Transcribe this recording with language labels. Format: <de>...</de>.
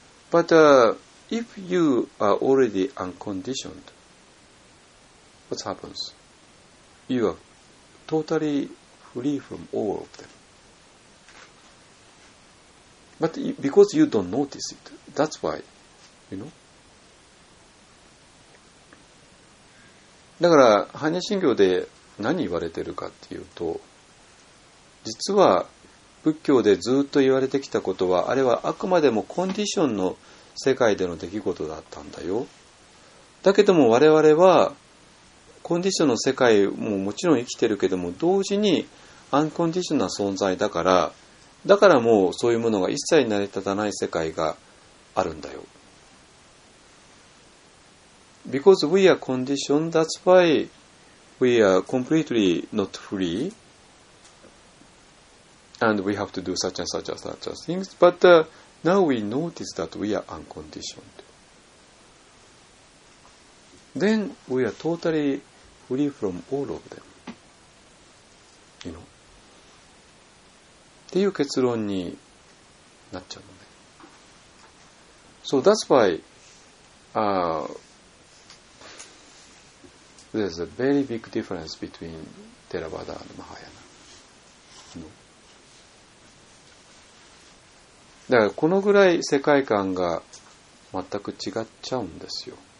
<en>But if you are already unconditioned, what happens? You areTotally free from all of them. But because you don't notice it, that's why, you know.</en> <ja>だから、般若心経で何言われてるかっていうと、実は仏教でずっと言われてきたことは、あれはあくまでもコンディションの世界での出来事だったんだよ。だけども我々はコンディションの世界ももちろん生きてるけども、同時にアンコンディションな存在だから、だからもうそういうものが一切成り立たない世界があるんだよ。</ja> <en>Because we are conditioned, that's why we are completely not free and we have to do such and such and such things, but now we notice that we are unconditioned. Then we are totally free from all of them. You know?</en> <ja>っていう結論になっちゃうのね。</ja> <en>So that's why there's a very big difference between Theravada and Mahayana. You know?</en> <ja>だからこのぐらい世界観が全く違っちゃうんですよ。</ja>